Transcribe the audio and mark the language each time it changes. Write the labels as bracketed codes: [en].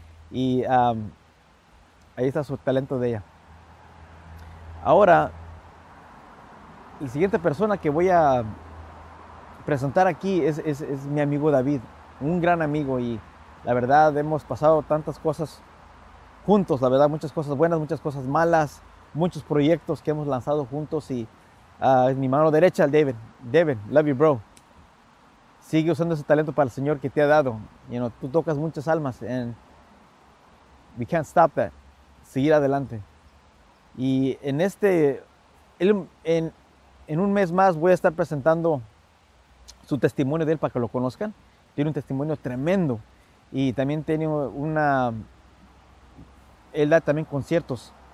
[es] Y ahí está su talento de ella. Ahora, la siguiente persona que voy a presentar aquí es mi amigo David, un gran amigo, y la verdad hemos pasado tantas cosas juntos, la verdad, muchas cosas buenas, muchas cosas malas, muchos proyectos que hemos lanzado juntos, y es mi mano derecha, el David. [en] David, love you, bro. [es] Sigue usando ese talento para el Señor que te ha dado. [en] You know, [es] tú tocas muchas almas, [en] and we can't stop that. [es] Seguir adelante. Y en este, en un mes más voy a estar presentando su testimonio de él para que lo conozcan. Tiene un testimonio tremendo. Y también tiene una, él da también conciertos.